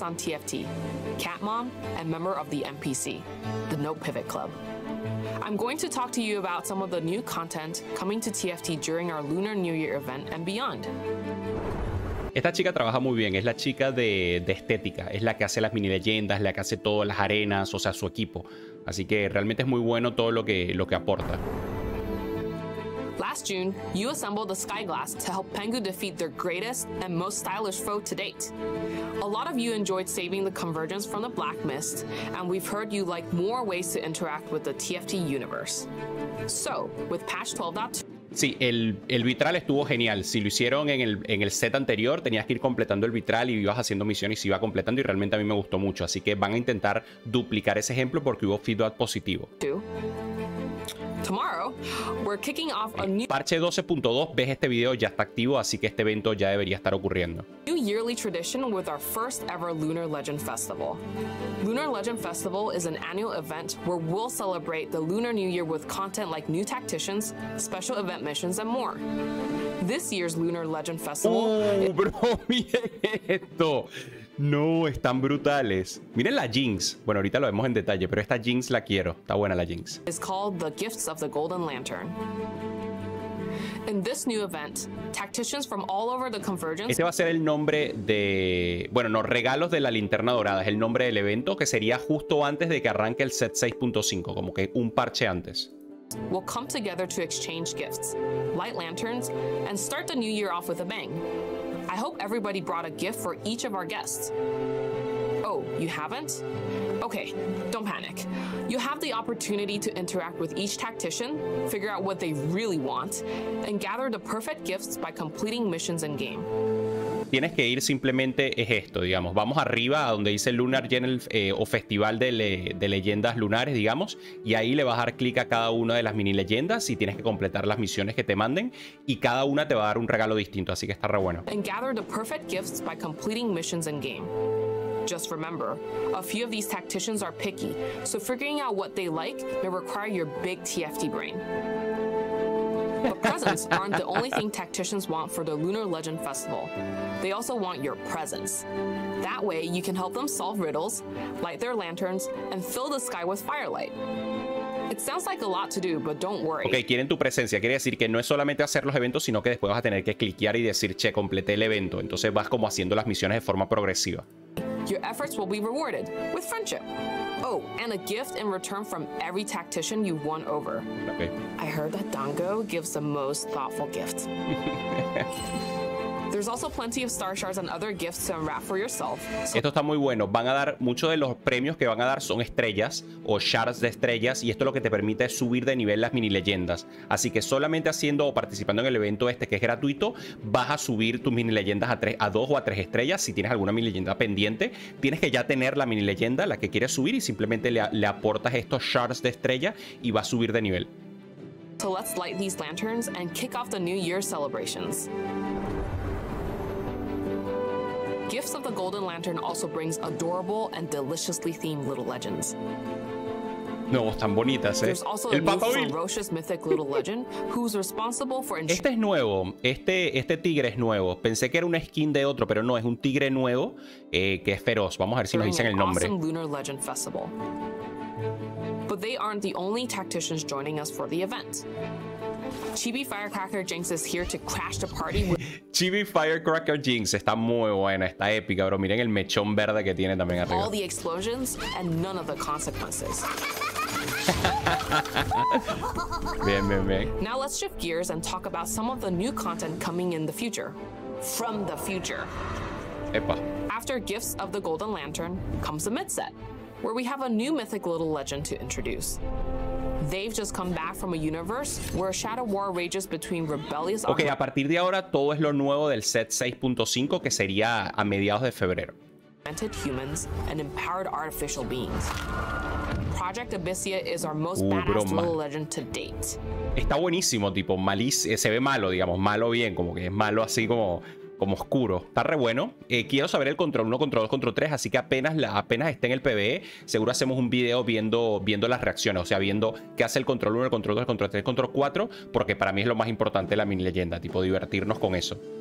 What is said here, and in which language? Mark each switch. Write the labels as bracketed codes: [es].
[en] Hola. On TFT, cat mom and member of the NPC, the No Pivot Club. I'm going to talk to you about some of the new content coming to TFT during our Lunar New Year event and beyond. [es] Esta chica trabaja muy bien, es la chica de estética, es la que hace las mini leyendas, la que hace todas las arenas, o sea, su equipo. Así que realmente es muy bueno todo lo que aporta. [en] Last June, you assembled the Skyglass to help Pengu defeat their greatest and most stylish foe to date. A lot of you enjoyed saving the convergence from the Black Mist, and we've heard you like more ways to interact with the TFT universe. So, with patch 12.2... [es] Sí, el vitral estuvo genial. Si lo hicieron en el set anterior, tenías que ir completando el vitral y ibas haciendo misiones y se iba completando, y realmente a mí me gustó mucho. Así que van a intentar duplicar ese ejemplo porque hubo feedback positivo. [en] Tomorrow, we're kicking off a new [es] Parche 12.2, ves este video, ya está activo, así que este evento ya debería estar ocurriendo. [en] New yearly tradition with our first ever Lunar Legend Festival. Lunar Legend Festival is an annual event where we'll celebrate the Lunar New Year with content like new tacticians, special event missions, and more. This year's Lunar Legend Festival... [es] ¡Oh, bro! ¡Mire esto! No, están brutales. Miren la Jinx. Bueno, ahorita lo vemos en detalle, pero esta Jinx la quiero. Está buena la Jinx. [en] It's called the Gifts of the Golden Lantern. In this new event, tacticians from all over the convergence. [es] Este va a ser el nombre de, bueno, no, regalos de la linterna dorada, es el nombre del evento, que sería justo antes de que arranque el set 6.5, como que un parche antes. [en] We'll come together to exchange gifts, light lanterns, and start the new year off with a bang. I hope everybody brought a gift for each of our guests. Oh, you haven't? Okay, don't panic. You have the opportunity to interact with each tactician, figure out what they really want, and gather the perfect gifts by completing missions in game. [es] Tienes que ir simplemente es esto, digamos. Vamos arriba a donde dice Lunar Journal o Festival de Leyendas Lunares, digamos, y ahí le vas a dar clic a cada una de las mini leyendas y tienes que completar las misiones que te manden y cada una te va a dar un regalo distinto, así que está re bueno. [en] And gather the perfect gifts by completing missions in game. Just remember, a few of these tacticians are picky, so figuring out what they like may require your big TFT brain. But presents aren't the only thing tacticians want for the Lunar Legend Festival. They also want your presence. That way, you can help them solve riddles, light their lanterns, and fill the sky with firelight. It sounds like a lot to do, but don't worry. [es] Okay, quieren tu presencia. Quiere decir que no es solamente hacer los eventos, sino que después vas a tener que cliquear y decir, che, completé el evento. Entonces vas como haciendo las misiones de forma progresiva. [en] Your efforts will be rewarded with friendship. Oh, and a gift in return from every tactician you've won over. Okay. I heard that Dango gives the most thoughtful gift. There's also plenty of star shards and other gifts to unwrap for yourself. [es] So esto está muy bueno. Van a dar muchos de los premios que van a dar son estrellas o shards de estrellas, y esto lo que te permite es subir de nivel las mini leyendas. Así que solamente haciendo o participando en el evento este que es gratuito, vas a subir tus mini leyendas a dos o a tres estrellas. Si tienes alguna mini leyenda pendiente, tienes que ya tener la mini leyenda la que quieres subir y simplemente le aportas estos shards de estrella y vas a subir de nivel. [en] So let's light these lanterns and kick off the New Year celebrations. Gifts of the Golden Lantern also brings adorable and deliciously themed little legends. [es] No, están bonitas, [en] There's also [es] el a Papa [en] new ferocious mythic little legend who's responsible for... [es] Este es nuevo, este tigre es nuevo. Pensé que era una skin de otro, pero no, es un tigre nuevo que es feroz. Vamos a ver si nos dicen el nombre. [en] Awesome Lunar Legend Festival. But they aren't the only tacticians joining us for the event. Chibi Firecracker Jinx is here to crash the party. [es] Chibi Firecracker Jinx está muy buena, está épica, bro. Miren el mechón verde que tiene también arriba. [en] All the explosions and none of the consequences. [es] Bien, bien, bien. [en] Now let's shift gears and talk about some of the new content coming in the future. From the future. [es] Epa. [en] After Gifts of the Golden Lantern comes the mid-set, where we have a new mythic little legend to introduce. They've just come back from a universe where a shadow war rages between rebellious... [es] Okay, a partir de ahora todo es lo nuevo del set 6.5, que sería a mediados de febrero. [en] ...humans and empowered artificial beings. Project Abyssia is our most badass Little Legend to date. [es] Está buenísimo, tipo, se ve malo, digamos, malo bien, como que es malo así como oscuro. Está re bueno. Quiero saber el control 1, control 2, control 3, así que apenas esté en el PvE, seguro hacemos un video viendo las reacciones, o sea, viendo qué hace el control 1, el control 2, el control 3, el control 4, porque para mí es lo más importante la mini leyenda, tipo, divertirnos con eso.